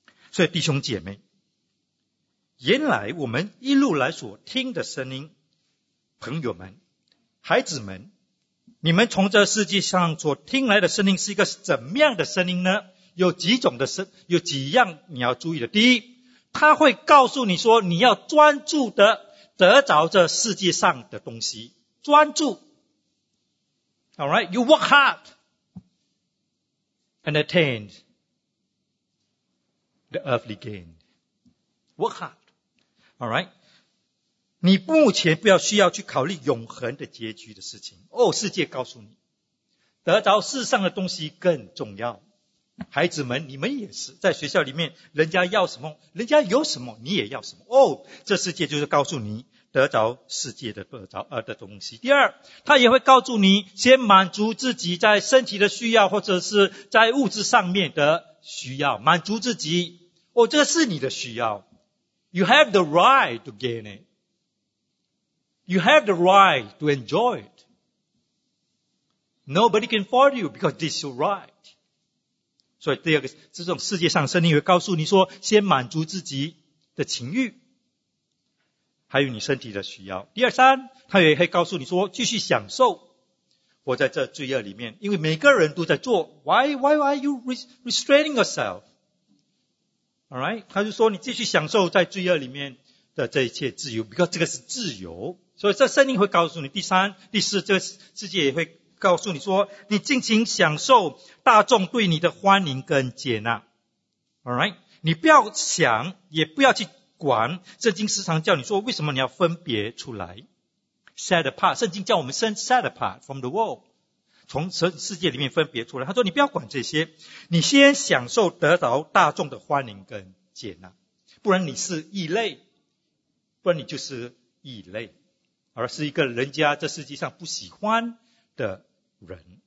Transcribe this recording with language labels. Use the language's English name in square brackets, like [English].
[Chinese] 所以弟兄姐妹，原来我们一路来所听的声音，朋友们，孩子们，你们从这世界上所听来的声音是一个怎么样的声音呢？有几种的声，有几样你要注意的。第一，他会告诉你说你要专注的得着这世界上的东西，专注。 [English] Alright, you work hard and attain the earthly gain. Work hard. Alright, [Chinese] 你目前不要需要去考虑永恒的结局的事情。哦，世界告诉你得着世上的东西更重要。孩子们，你们也是在学校里面，人家要什么，人家有什么，你也要什么。哦，这世界就是告诉你得着世界的得着的东西。第二，他也会告诉你先满足自己在身体的需要，或者是在物质上面的需要，满足自己。哦，这是你的需要。 [English] You have the right to gain it. You have the right to enjoy it. Nobody can fault you because this is your right. [Chinese] 所以第二个，这种世界上声音会告诉你说先满足自己的情欲还有你身体的需要。第二三，他也会告诉你说继续享受活在这罪恶里面，因为每个人都在做。 [English] Why are you restraining yourself? Alright, [Chinese] 他就说你继续享受在罪恶里面的这一切自由， [English] because [Chinese] 这个是自由。所以这声音会告诉你。第三第四，这个世界也会告诉你说你尽情享受大众对你的欢迎跟接纳。 [English] Alright， [Chinese] 你不要想也不要去管，圣经时常叫你说为什么你要分别出来， [English] set apart， [Chinese] 圣经叫我们 [English] set apart from the world， [Chinese] 从世界里面分别出来。他说你不要管这些，你先享受得到大众的欢迎跟接纳，不然你是异类，不然你就是异类，而是一个人家这世界上不喜欢的人。